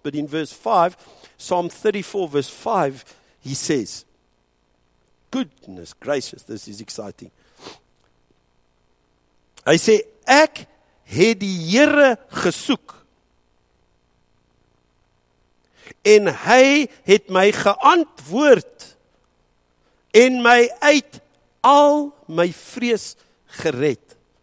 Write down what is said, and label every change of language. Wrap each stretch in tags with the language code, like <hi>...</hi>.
<en>But in verse 5, Psalm 34 verse 5, he says, goodness gracious, this is exciting.</en> <af>Hy sê, ek het die Here gesoek. En hy het my geantwoord en my uit al my vrees gered.</af>